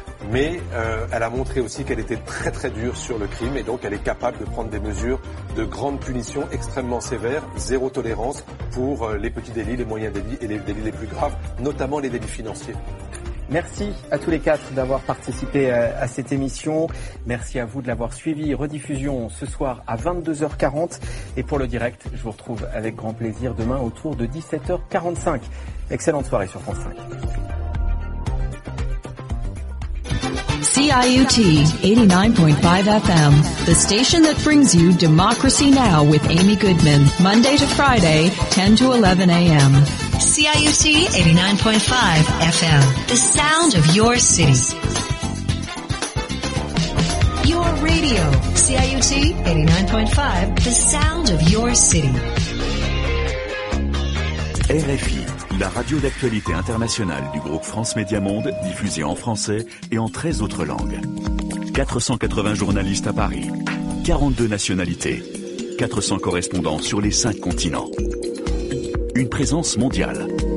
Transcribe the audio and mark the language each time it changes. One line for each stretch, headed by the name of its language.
French: Mais elle a montré aussi qu'elle était très très dure sur le crime et donc elle est capable de prendre des mesures de grande punition extrêmement sévères, zéro tolérance pour les petits délits, les moyens délits et les délits les plus graves, notamment les délits financiers. Merci à tous les quatre d'avoir participé à cette émission. Merci à vous de l'avoir suivi. Rediffusion ce soir à 22h40. Et pour le direct, je vous retrouve avec grand plaisir demain autour de 17h45. Excellente soirée sur France 5.
English: CIUT 89.5 FM, the station that brings you Democracy Now! With Amy Goodman, Monday to Friday, 10 to 11 a.m. CIUT 89.5 FM, the sound of your city. Your radio, CIUT 89.5, the sound of your city.
French: RFI, la radio d'actualité internationale du groupe France Média Monde, diffusée en français et en 13 autres langues. 480 journalistes à Paris, 42 nationalités, 400 correspondants sur les 5 continents. Une présence mondiale.